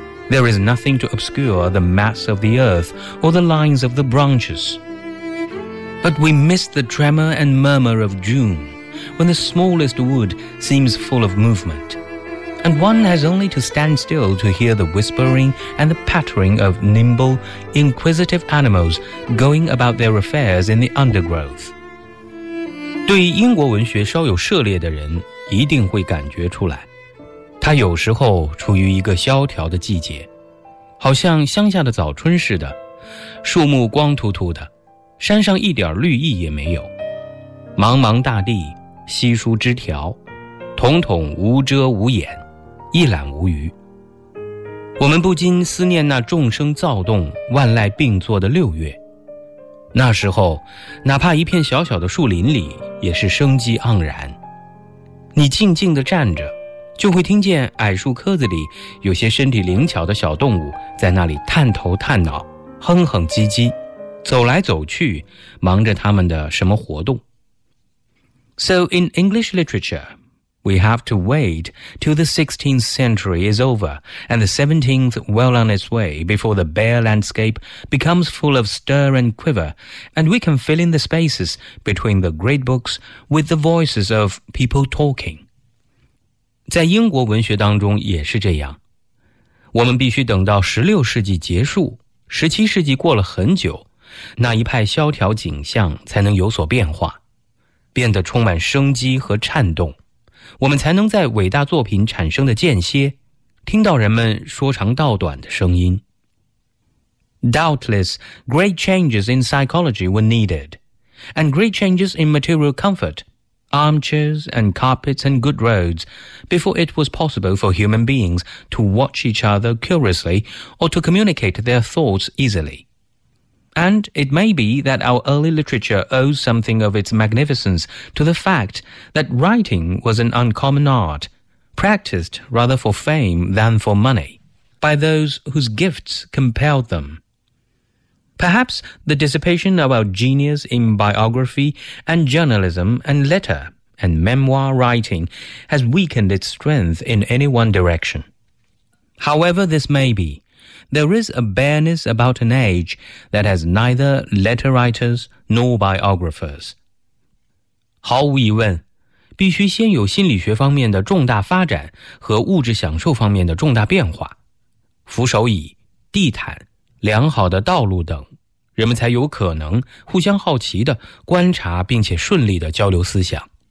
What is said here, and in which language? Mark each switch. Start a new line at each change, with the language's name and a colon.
English: There is nothing to obscure the mass of the earth or the lines of the branches. But we miss the tremor and murmur of June, when the smallest wood seems full of movement. And one has only to stand still to hear the whispering and the pattering of nimble, inquisitive animals going about their affairs in the undergrowth.
Chinese: 对英国文学稍有涉猎的人一定会感觉出来，它有时候处于一个萧条的季节，好像乡下的早春似的，树木光秃秃的，山上一点绿意也没有，茫茫大地，稀疏枝条，统统无遮无掩，一览无余。我们不禁思念那众生躁动、万籁并作的六月，那时候，哪怕一片小小的树林里也是生机盎然。你静静地站着，就会听见矮树棵子里有些身体灵巧的小动物在那里探头探脑、哼哼唧唧，走来走去，忙着他们的什么活动。
English: So in English literature, we have to wait till the 16th century is over and the 17th well on its way before the bare landscape becomes full of stir and quiver, and we can fill in the spaces between the great books with the voices of people talking.
Chinese: 在英国文学当中也是这样，我们必须等到16世纪结束，17世纪过了很久，那一派萧条景象才能有所变化，变得充满生机和颤动，我们才能在伟大作品产生的间歇听到人们说长道短的声音。
English: Doubtless, great changes in psychology were needed, and great changes in material comfort, armchairs and carpets and good roads, before it was possible for human beings to watch each other curiously or to communicate their thoughts easily. And it may be that our early literature owes something of its magnificence to the fact that writing was an uncommon art, practiced rather for fame than for money, by those whose gifts compelled them. Perhaps the dissipation of our genius in biography and journalism and letter and memoir writing has weakened its strength in any one direction. However this may be,There is a bareness about an age that has neither letter writers nor biographers.
Chinese: 毫无疑问，必须先有心理学方面的重大发展和物质享受方面的重大变化，扶手椅、地毯、良好的道路等，人们才有可能互相好奇地观察并且顺利地交流思想。